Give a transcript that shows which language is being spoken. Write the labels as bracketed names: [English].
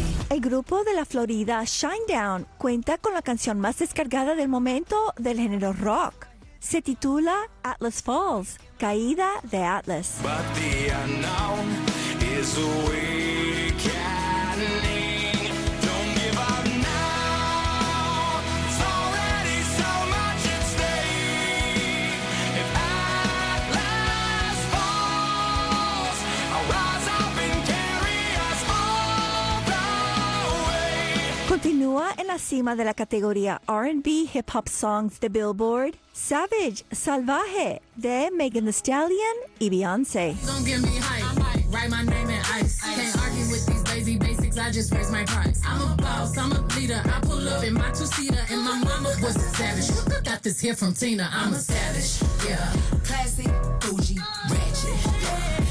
[Spanish] El grupo de la Florida Shinedown cuenta con la canción más descargada del momento del género rock. Se titula Atlas Falls, Caída de Atlas. [English] But the unknown is awakening. Don't give up now. It's already so much at stake. If Atlas falls, I'll rise up and carry us all the way. [Spanish] Continúa en la cima de la categoría R&B Hip Hop Songs de Billboard. Savage, Salvaje, de Megan Thee Stallion y Beyoncé. [English] Don't give me hype, write my name in ice. Can't argue with these lazy basics, I just raise my price. I'm a boss, I'm a leader, I pull up in my two-seater. And my mama was a savage, got this here from Tina. I'm a savage, yeah. Classy, bougie, ratchet, yeah.